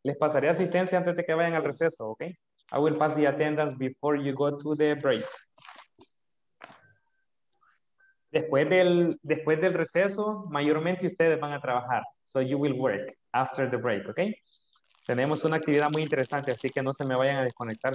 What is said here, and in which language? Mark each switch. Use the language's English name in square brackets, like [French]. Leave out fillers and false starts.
[Spanish] Les pasaré asistencia antes de que vayan al receso, okay? [English] I will pass the attendance before you go to the break. [Spanish] Después del receso, mayormente ustedes van a trabajar. [English] So you will work after the break, okay? [Spanish] Tenemos una actividad muy interesante, así que no se me vayan a desconectar.